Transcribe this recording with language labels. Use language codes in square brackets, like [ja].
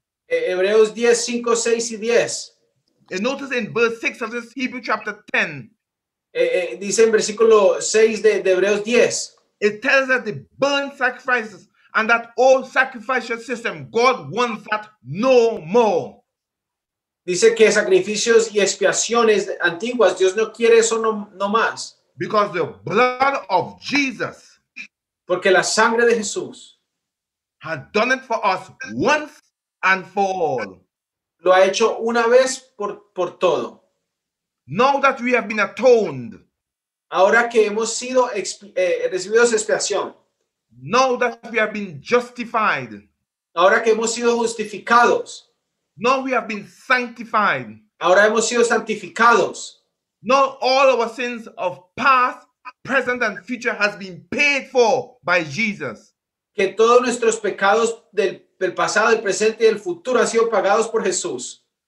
[es] Hebreos 10, 5, 6, y 10. [en] And notice in verse 6 of this Hebrews chapter 10. [es] Dice en versículo 6 de Hebreos 10. [en] It tells that the burnt sacrifices and that old sacrificial system, God wants that no more. [es] Dice que sacrificios y expiaciones antiguas, Dios no quiere eso no más. [en] Because the blood of Jesus. [es] Porque la sangre de Jesús. [en] Has done it for us once and for all. [es] Lo ha hecho una vez por todo. [en] Now that we have been atoned. [es] Ahora que hemos sido recibidos expiación. [en] Now that we have been justified. [es] Ahora que hemos sido justificados. [en] Now we have been sanctified. [es] Ahora hemos sido santificados. [en] Now all our sins of past, present and future has been paid for by Jesus. [es] Que todos nuestros pecados del pasado, del presente y del futuro han sido pagados por Jesús.